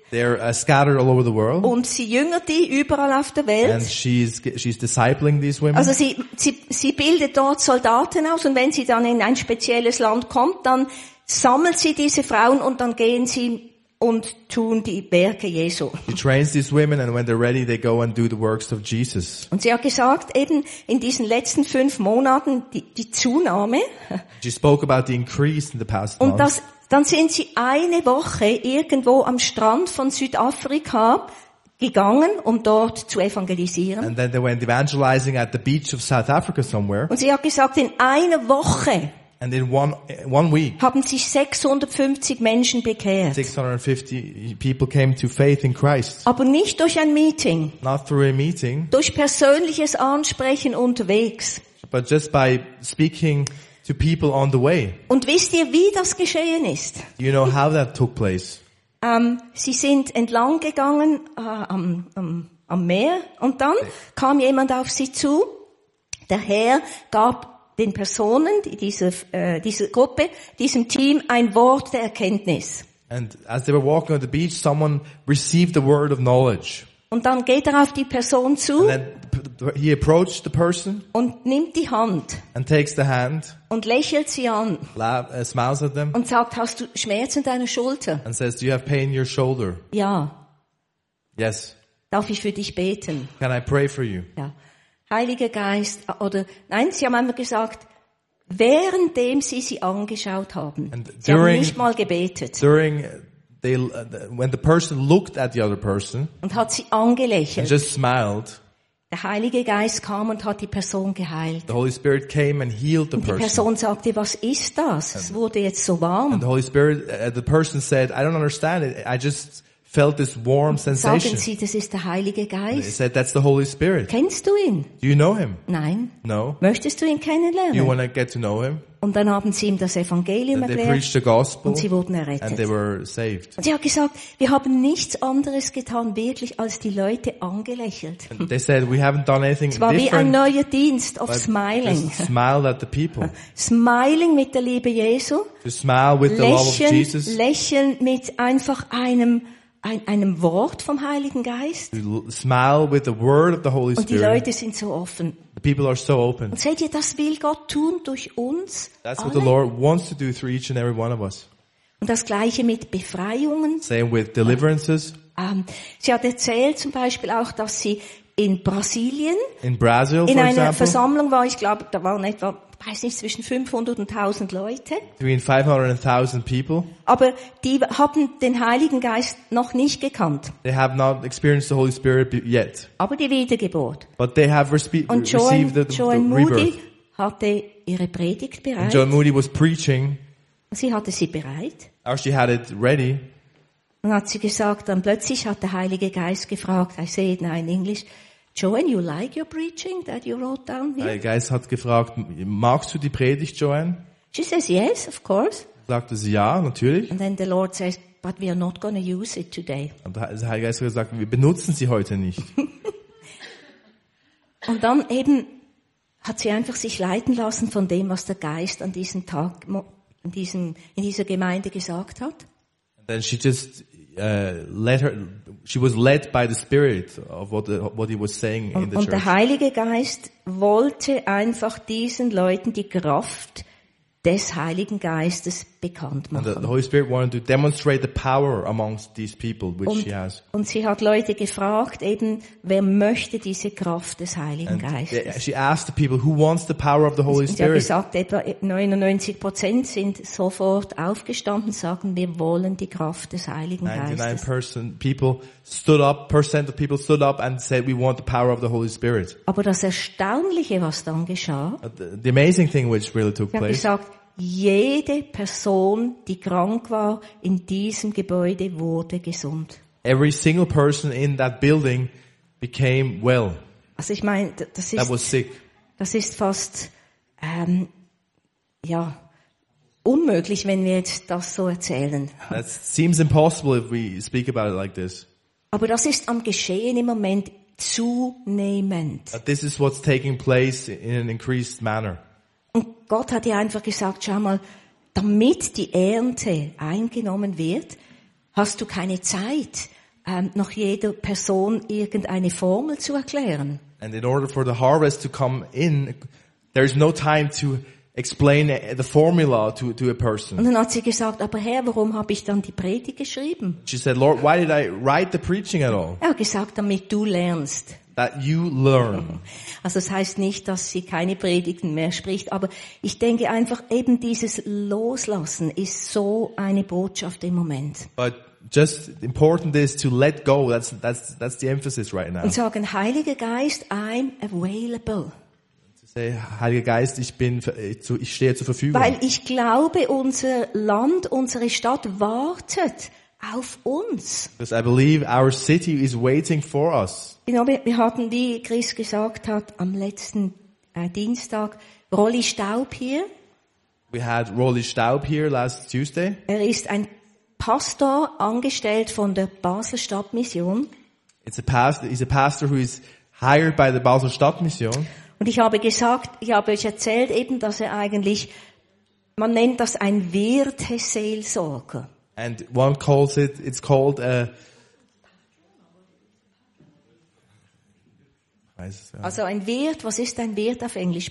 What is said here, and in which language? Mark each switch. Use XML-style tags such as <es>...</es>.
<en>They're scattered all over the world.</en> <de>Und sie jüngert die überall auf der Welt.</de> <en>And she's discipling these women.</en> <de>Also sie bildet dort Soldaten aus und wenn sie dann in ein spezielles Land kommt, dann sammelt sie diese Frauen und dann gehen sie und tun die Werke Jesu.</de> <en>She trains these women and when they're ready, they go and do the works of Jesus.</en> <de>Und sie hat gesagt, eben in diesen letzten 5 Monaten die Zunahme.</de> <en>She spoke about the increase in the past und months.</en> <de>Dann sind sie eine Woche irgendwo am Strand von Südafrika gegangen, um dort zu evangelisieren.</de> <en>And then they went evangelizing at the beach of South Africa somewhere.</en> <de>Und sie hat gesagt, in einer Woche</de> <en>and in one week,</en> <de>haben sich 650 Menschen bekehrt.</de> <en>650 people came to faith in Christ.</en> <de>Aber nicht durch ein Meeting.</de> <en>Not through a meeting.</en> <de>Durch persönliches Ansprechen unterwegs.</de> <en>But just by speaking to people on the way.</en> <de>Und wisst ihr, wie das geschehen ist?</de> <en>You know how that took place.</en> <de>Sie sind entlang gegangen am Meer und dann kam jemand auf sie zu. Der Herr gab den Personen dieser Gruppe, diesem Team ein Wort der Erkenntnis.</de> <en>And as they were walking on the beach, someone received the word of knowledge.</en> <de>Und dann geht er auf die Person zu.</de> <en>And he approached the person</en> <de>und nimmt die Hand</de> <en>and takes the hand</en> <de>und lächelt sie an</de> <en>smiles at them</en> <de>und sagt, hast du Schmerzen in deiner Schulter?</de> <en>And says, do you have pain in your shoulder?</en> <de>Ja.</de> <en>Yes.</en> <de>Darf ich für dich beten?</de> <en>Can I pray for you?</en> <de>Ja. Heiliger Geist, oder nein, sie haben einmal gesagt, währenddem sie angeschaut haben, sie haben nicht mal gebetet.</de> <en>When the person looked at the other person</en> <de>und hat sie angelächelt</de> <en>and just smiled,</en> <de>der Heilige Geist kam und hat die Person geheilt.</de> <en>The Holy Spirit came and healed the</en> <de>und die Person sagte, was ist das? Es wurde jetzt so warm.</de> <en>And the Holy Spirit, the person said, I don't understand it. I just felt this warm sensation.</en> <de>Sagen Sie, das ist der Heilige Geist?</de> <en>They said, that's the Holy Spirit.</en> <de>Kennst du ihn?</de> <en>Do you know him?</en> <de>Nein.</de> <en>No.</en> <de>Möchtest du ihn kennenlernen?</de> <en>Do you want to get to know him?</en> <de>Und dann haben sie ihm das Evangelium</de> <en>they</en> <de>erklärt</de> <en>preached the gospel</en> <de>und sie wurden errettet.</de> <en>And they were saved.</en> <de>Und sie hat gesagt, wir haben nichts anderes getan, wirklich, als die Leute angelächelt.</de> <en>And they said, we haven't done anything</en> <de>es war</de> <en>different,</en> <de>wie ein neuer Dienst</de> <en>of smiling. Just smile at the people.</en> <de>Smiling mit der Liebe Jesu.</de> <en>Just smile with</en> <de>lächeln,</de> <en>the love of Jesus.</en> <de>Lächeln mit einfach einem Wort vom Heiligen Geist.</de> <en>Smile with the word of the Holy</en> <de>Spirit. Und die Leute sind so offen.</de> <en>The people are so open.</en> <de>Und seht ihr, das will Gott tun durch uns.</de> <en>That's</en> <de>alle.</de> <en>What the Lord wants to do through each and every one of us.</en> <de>Und das gleiche mit Befreiungen.</de> <en>Same with deliverances.</en> <de>Sie hat erzählt zum Beispiel auch, dass sie in Brasilien</de> <en>in, Brazil,</en> <de>in einer</de> <en>example,</en> <de>Versammlung war. Ich glaube, da waren etwa, weiß nicht, zwischen 500 und 1000 Leute.</de> <en>Between 500 and 1000 people.</en> <de>Aber die haben den Heiligen Geist noch nicht gekannt.</de> <en>They have not experienced the Holy Spirit yet.</en> <de>Aber die Wiedergeburt.</de> <en>But they have received the rebirth.</en> <de>Joan Moody hatte ihre Predigt bereit.</de> <en>And Joan Moody was preaching.</en> <de>Sie hatte sie bereit.</de> <en>Or she had it ready.</en> <de>Und hat sie gesagt, dann plötzlich hat der Heilige Geist gefragt,</de> <en>I say it now in English, Joanne, you like your preaching that you wrote down here?</en> <de>Der Geist hat gefragt, magst du die Predigt, Joanne?</de> <en>She says, yes, of course.</en> <de>Sagte sie, ja, natürlich.</de> <en>And then the Lord says, but we are not going to use it today.</en> <de>Und der Heilige Geist hat gesagt, wir benutzen sie heute nicht. Und dann eben hat sie einfach sich leiten lassen von dem, was der Geist an diesem Tag in dieser Gemeinde gesagt hat.</de> <en>Then she just she was led by the spirit of what he was saying in the church.</en> <de>Und der Heilige Geist wollte einfach diesen Leuten die Kraft des Heiligen Geistes bekannt machen.</de> <en>And the Holy Spirit wanted to demonstrate the power amongst these people, which she has.</en> <de>Und sie hat Leute gefragt, eben, wer möchte diese Kraft des Heiligen Geistes?</de> <en>She asked the people, who wants the power of the Holy Spirit?</en> <de>Und sie hat gesagt, etwa 99% sind sofort aufgestanden, sagen, wir wollen die Kraft des Heiligen Geistes.</de> <en>99% of people stood up and said, we want the power of the Holy Spirit.</en> <de>Aber das Erstaunliche, was dann geschah,</de> <en>the amazing thing which really took place,</en> <de>jede Person, die krank war, in diesem Gebäude wurde gesund.</de> <en>Every single person in that building became well.</en> <de>Also ich meine, das ist fast unmöglich, wenn wir jetzt das so erzählen.</de> <en>That seems impossible if we speak about it like this.</en> <de>Aber das ist am Geschehen im Moment zunehmend.</de> <en>But this is what's taking place in an increased manner.</en> <de>Und Gott hat dir einfach gesagt, schau mal, damit die Ernte eingenommen wird, hast du keine Zeit, noch jeder Person irgendeine Formel zu erklären.</de> <en>And in order for the harvest to come in, there is no time to explain the formula to a person.</en> <de>Und dann hat sie gesagt, aber Herr, warum habe ich dann die Predigt geschrieben?</de> <en>She said, Lord, why did I write the preaching at all?</en> <de>Er hat gesagt, damit du lernst.</de> <en>That you learn.</en> <de>Also das heißt nicht, dass sie keine Predigten mehr spricht, aber ich denke einfach eben dieses Loslassen ist so eine Botschaft im Moment.</de> <en>But just important is to let go. That's the emphasis right now.</en> <de>Und sagen, Heiliger Geist,</de> <en>I'm available.</en> <de>Hey, Heiliger Geist, ich stehe zur Verfügung. Weil ich glaube, unser Land, unsere Stadt wartet auf uns.</de> <en>Because I believe our city is waiting for us.</en> <de>Wir hatten, wie Chris gesagt hat, am letzten Dienstag, Rolli Staub hier.</de> <en>We had Rolli Staub here last Tuesday.</en> <de>Er ist ein Pastor, angestellt von der Basel Stadtmission.</de> <en>He's a pastor who is hired by the Basel Stadtmission.</en> <de>Und ich habe euch erzählt eben, dass er eigentlich, man nennt das ein Werteseelsorger.</de> <en>And one calls it, it's called a...</en> <de>Also ein Wirt, was ist ein Wirt auf Englisch?</de>